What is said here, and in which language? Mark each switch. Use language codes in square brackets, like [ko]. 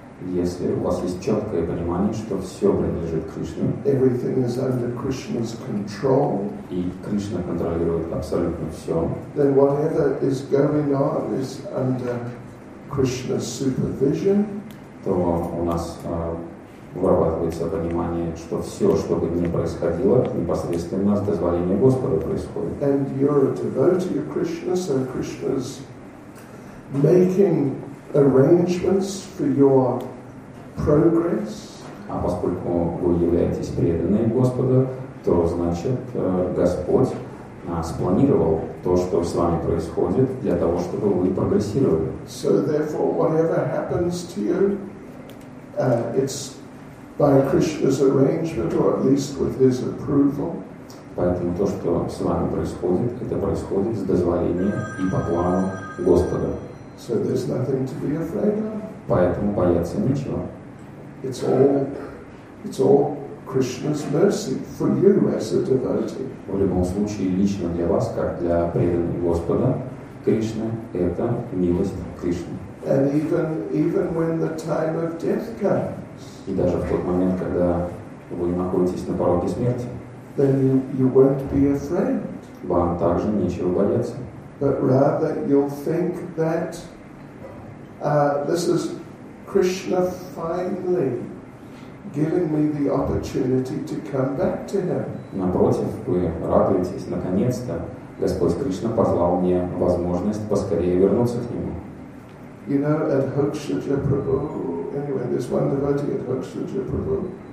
[ru] Если у вас есть четкое понимание, что все принадлежит Кришне, [en] everything is under Krishna's control, [ru] и Кришна контролирует абсолютно все, [en] then whatever is going on is under Krishna's supervision, [ru] то у нас вырабатывается понимание, что все, что бы ни происходило, непосредственно с дозволения Господа происходит. [en] And you're a devotee of Krishna, so Krishna's making arrangements for your progress. [ru] А поскольку вы являетесь преданным Господу, то значит Господь спланировал то, что с вами происходит, для того, чтобы вы прогрессировали. [en] So therefore, whatever happens to you, it's by Krishna's arrangement, or at least with his approval. [ru] Поэтому то, что с вами происходит, это происходит с дозволения и по плану Господа. [en] So there's nothing to be afraid of. [ru] Поэтому бояться нечего. [en] It's all Krishna's mercy for you as a devotee. [ru] В любом случае, лично для вас, как для преданного Господа, Кришна — это милость Кришны. [en] And even when the time of death comes, [ru] и даже в тот момент, когда вы находитесь на пороге смерти, [en] then you won't be afraid. [ru] Вам также нечего бояться. [en] But rather you'll think that this is Krishna finally giving me the opportunity to come back to him. [ru] Напротив, вы радуетесь, наконец-то Господь Кришна послал мне возможность поскорее вернуться к нему. [en] You know, at Hokshidra Prabhu, anyway, there's one devotee at Hokshidra Prabhu.